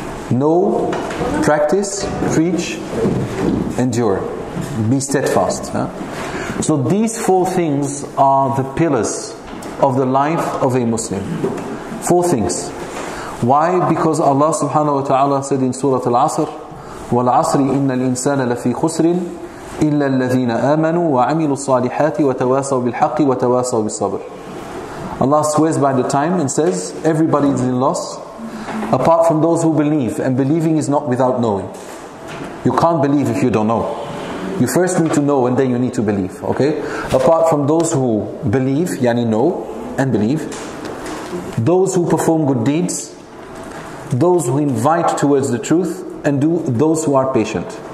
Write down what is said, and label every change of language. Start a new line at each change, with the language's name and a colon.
English: Know, practice, preach, endure. Be steadfast. Huh? So these four things are the pillars of the life of a Muslim. Four things. Why? Because Allah subhanahu wa ta'ala said in Surah Al-Asr,
Arabic: وَالْعَصْرِ إِنَّ الْإِنسَانَ لَفِي خُسْرٍ إِلَّا الَّذِينَ آمَنُوا وَعَمِلُوا الصَّالِحَاتِ وَتَوَاسَوْا بِالْحَقِّ وَتَوَاسَوْا بِالصَّبْرِ.
English: Allah swears by the time and says, everybody is in loss apart from those who believe. And believing is not without knowing. You can't believe if you don't know. You first need to know and then you need to believe. Okay? Apart from those who believe, yani know and believe, those who perform good deeds, those who invite towards the truth, and do those who are patient.